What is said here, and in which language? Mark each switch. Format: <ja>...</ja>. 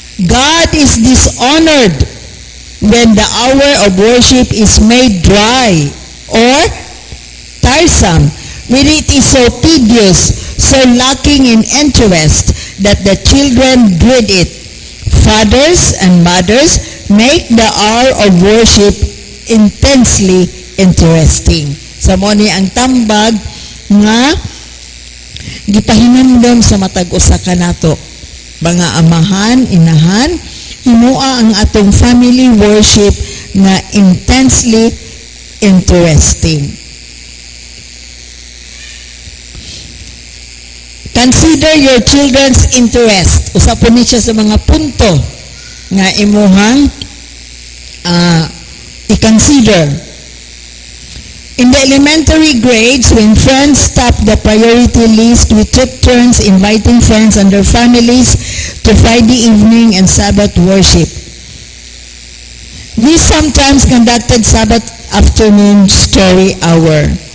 <en>God is dishonored when the hour of worship is made dry or tiresome, when it is so tedious, so lacking in interest that the children dread it. Fathers and mothers, make the hour of worship intensely interesting.</en> <ceb>So, moni ang tambag nga gipahinumdom sa matag-usa ka nato. Mga amahan, inahan, himuha ang atong family worship na</ceb> <en>intensely interesting. Consider your children's interest.</en> <ceb>Usa po ni siya sa mga punto na imuhang i-consider.</ceb> <en>In the elementary grades, when friends top the priority list, we took turns inviting friends and their families to Friday evening and Sabbath worship. We sometimes conducted Sabbath afternoon story hour.</en>